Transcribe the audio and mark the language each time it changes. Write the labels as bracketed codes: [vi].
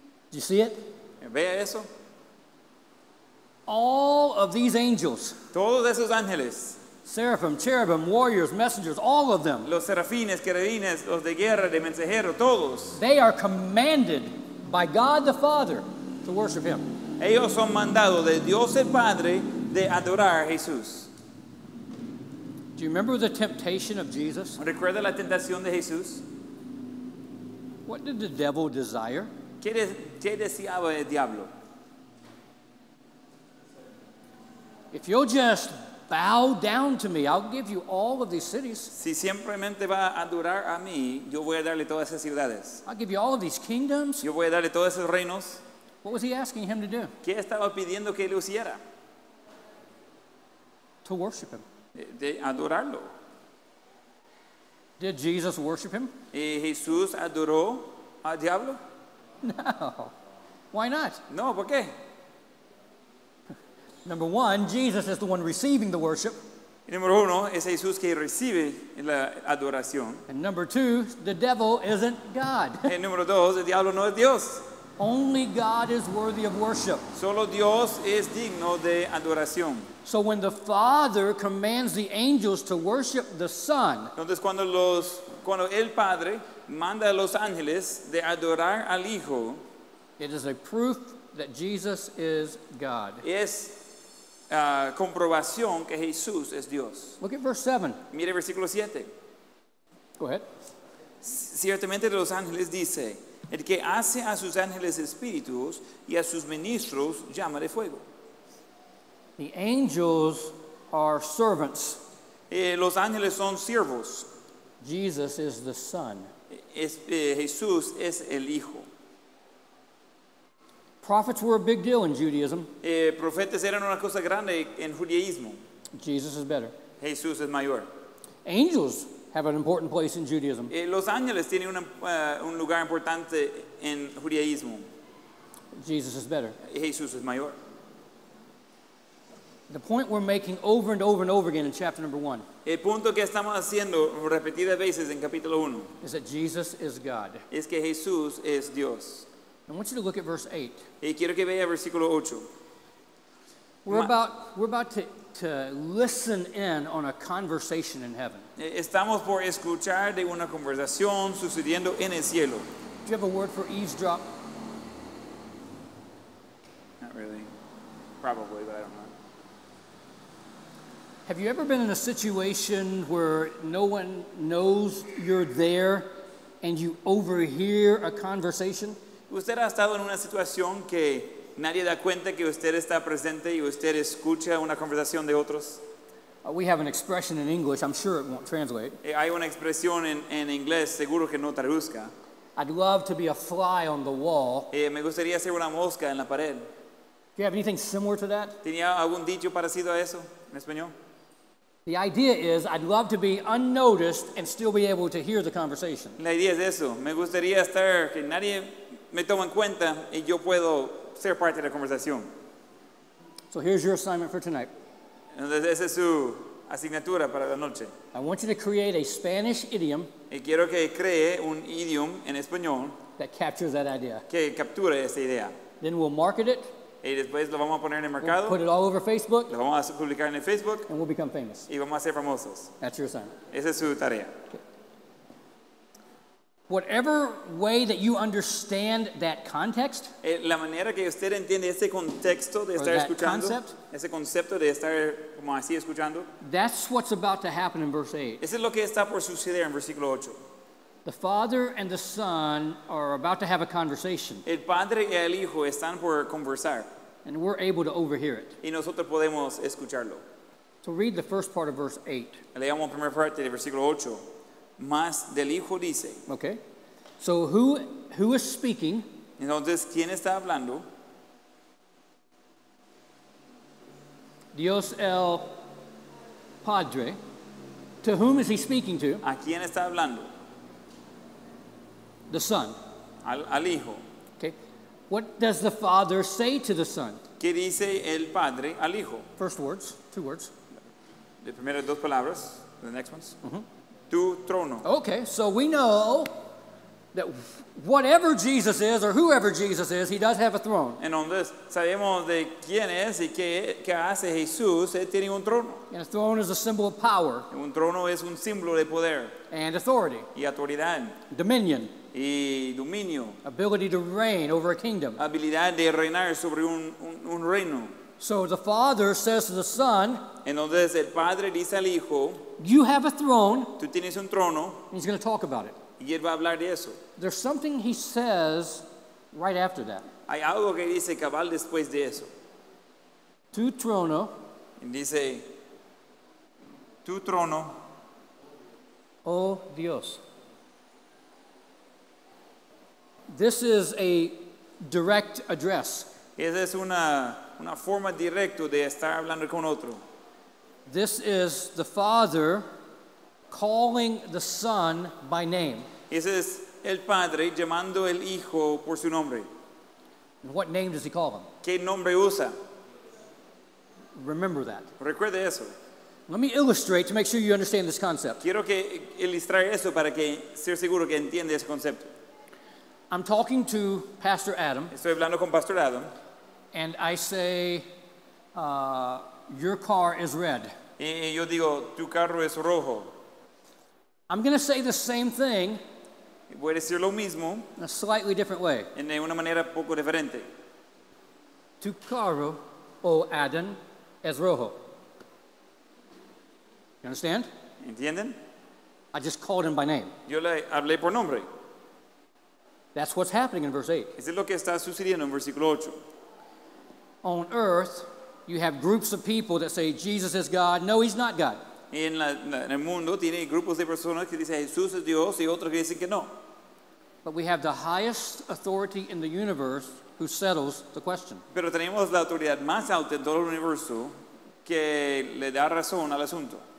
[en] Do you see it? [es] ¿Vea eso? [en] All of these angels. [es] Todos esos ángeles. [en] Seraphim, cherubim, warriors, messengers, all of them. [es] Los serafines, querubines, los de guerra, de mensajero, todos. [en] They are commanded by God the Father to worship him. [es] Ellos son mandados de Dios el Padre de adorar a Jesús. [en] Do you remember the temptation of Jesus? [es] ¿Recuerda la tentación de Jesús? [en] What did the devil desire? [es] ¿Qué deseaba el diablo? [en] If you'll just bow down to me, I'll give you all of these cities. [es] Si simplemente va a adorar a mí, yo voy a darle todas esas ciudades. [en] I'll give you all of these kingdoms. [es] Yo voy a darle todos esos reinos. [en] What was he asking him to do? [es] ¿Qué estaba pidiendo que él hiciera? [en] To worship him. [es] De adorarlo. [en] Did Jesus worship him? [es] ¿Y Jesús adoró al diablo? [en] No. Why not? [es] No, ¿por qué? [en] Number one, Jesus is the one receiving the worship. [es] Número uno, es Jesús que recibe la adoración. [en] And number two, the devil isn't God. [es] El número dos, el diablo no es Dios. [en] Only God is worthy of worship. [es] Solo Dios es digno de adoración. [en] So when the Father commands the angels to worship the Son, [es] entonces cuando el Padre manda a los ángeles de adorar al Hijo, [en] it is a proof that Jesus is God. [es] Es comprobación que Jesús es Dios. [en] Look at verse 7. [es] Mire versículo 7. [en] Go ahead. [es] Ciertamente los ángeles dice, el que hace a sus ángeles espíritus y a sus ministros llama de fuego. [en] The angels are servants. [es] Los ángeles son siervos. [en] Jesus is the Son. [es] Jesús es el Hijo. [en] Prophets were a big deal in Judaism. [es] Profetas eran una cosa grande en judaísmo. [en] Jesus is better. [es] Jesús es mayor. [en] Angels have an important place in Judaism. [es] Los ángeles tienen un lugar importante en judaísmo. [en] Jesus is better. [es] Jesús es mayor. [en] The point we're making over and over and over again in chapter number 1. [es] El punto que estamos haciendo repetidas veces en capítulo 1 [en] is that Jesus is God. [es] Es que Jesús es Dios. [en] I want you to look at verse 8. [es] Y quiero que vea versículo 8. [en] We're about to listen in on a conversation in heaven. [es] Estamos por escuchar de una conversación sucediendo en el cielo. [en] Do you have a word for eavesdrop? Not really. Probably, but I don't know. Have you ever been in a situation where no one knows you're there and you overhear a conversation? [es] ¿Usted ha estado en una situación que nadie da cuenta que usted está presente y usted escucha una conversación de otros? [en] We have an expression in English. I'm sure it won't translate. [es] Hay una expresión en inglés, seguro que no traduzca. [en] I'd love to be a fly on the wall. [es] Me gustaría ser una mosca en la pared. [en] Do you have anything similar to that? [es] ¿Tenía algún dicho parecido a eso en español? [en] The idea is I'd love to be unnoticed and still be able to hear the conversation. [es] La idea es eso. Me gustaría estar que nadie me toma en cuenta y yo puedo ser parte de la conversación. [en] So here's your assignment for tonight. [es] Entonces, esa es su asignatura para la noche. [en] I want you to create a Spanish idiom. [es] Y quiero que cree un idioma en español [en] that captures that idea. [es] Que capture esa idea. [en] Then we'll market it. [es] Y después lo vamos a poner en el mercado. [en] We'll put it all over Facebook. [es] Lo vamos a publicar en el Facebook. [en] And we'll become famous. [es] Y vamos a ser famosos. [en] That's your assignment. [es] Esa es su tarea. [en] Okay. Whatever way that you understand that context, [es] la manera que usted entiende ese contexto de estar escuchando, concept, ese concepto de estar como así escuchando, [en] that's what's about to happen in verse 8. [es] Eso es lo que está por suceder en versículo 8. [en] The Father and the Son are about to have a conversation. [es] El Padre y el Hijo están por conversar. [en] And we're able to overhear it. [es] Y nosotros podemos escucharlo. [en] So read the first part of verse 8. [es] Leamos la primera parte de versículo 8. Más del Hijo dice. [en] Okay. So who is speaking? [es] Entonces, ¿quién está hablando? Dios el Padre. [en] To whom is he speaking to? [es] ¿A quién está hablando? [en] The Son. [es] Al Hijo. [en] Okay. What does the Father say to the Son? [es] ¿Qué dice el Padre al Hijo? [en] First words, two words. [es] De primeras dos palabras, [en] the next ones. Mm-hmm. [es] Tu trono. [en] Okay, so we know that whatever Jesus is or whoever Jesus is, he does have a throne. [es] En donde sabemos de quién es y qué hace Jesús, él tiene un trono. [en] And a throne is a symbol of power. [es] Un trono es un símbolo de poder. [en] And authority. [es] Y autoridad. [en] Dominion. [es] Y dominio. [en] Ability to reign over a kingdom. [es] Habilidad de reinar sobre un reino. [en] So the Father says to the Son, [es] entonces el Padre dice al Hijo, [en] you have a throne. [es] Tú tienes un trono. [en] He's going to talk about it. [es] Y él va a hablar de eso. [en] There's something he says right after that. [es] Hay algo que dice cabal después de eso. Tu trono. Y dice, tu trono. Oh Dios. [en] This is a direct address. [es] Esa es una forma directa de estar hablando con otro. [en] This is the Father calling the Son by name. [es] Ese es el Padre llamando el Hijo por su nombre. [en] And what name does he call him? [es] ¿Qué nombre usa? [en] Remember that. [es] Recuerde eso. [en] Let me illustrate to make sure you understand this concept. [es] Quiero que ilustrar eso para que ser seguro que entiende ese concepto. [en] I'm talking to Pastor Adam. [es] Estoy hablando con Pastor Adam. [en] And I say, your car is red. [es] Y yo digo, tu carro es rojo. [en] I'm going to say the same thing. [es] Voy a decir lo mismo. [en] In a slightly different way. [es] En una manera poco diferente. Tu carro, o Adam, es rojo. [en] You understand? [es] ¿Entienden? [en] I just called him by name. [es] Yo le hablé por nombre. [en] That's what's happening in verse 8. [es] Eso es lo que está sucediendo en versículo 8. [en] On earth, you have groups of people that say Jesus is God. No, he's not God. [es] En el mundo tiene grupos de personas que dicen Jesús es Dios y otros que dicen que no. [en] But we have the highest authority in the universe who settles the question. [es] Pero tenemos la autoridad más alta en todo el universo que le da razón al asunto.